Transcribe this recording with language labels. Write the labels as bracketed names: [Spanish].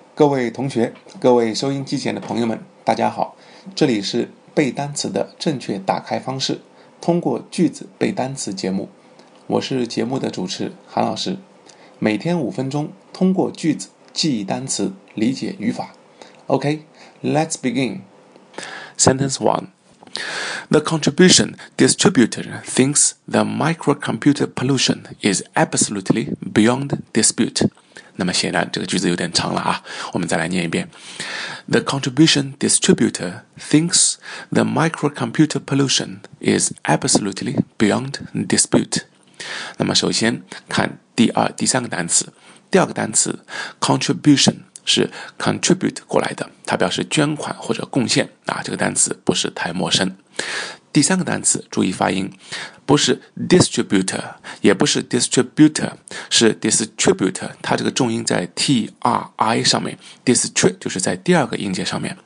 [Chinese] 各位同学，各位收音机前的朋友们，大家好，这里是背单词的正确打开方式，通过句子背单词节目，我是节目的主持韩老师，每天五分钟，通过句子记忆单词，理解语法。 [English] OK, let's begin. Sentence 1. The contribution distributor thinks the microcomputer pollution is absolutely beyond dispute. [Chinese] 那么显然这个句子有点长了啊，我们再来念一遍。 [English] The contribution distributor thinks the microcomputer pollution is absolutely beyond dispute. [Chinese] 那么首先看第三个单词。第二个单词 contribution 是 contribute 过来的，它表示捐款或者贡献啊，这个单词不是太陌生。第三个单词注意发音，不是 distributor 也不是 distributor, 是 distributor, 它这个重音在 TRI 上面， distrib 就是在第二个音节上面。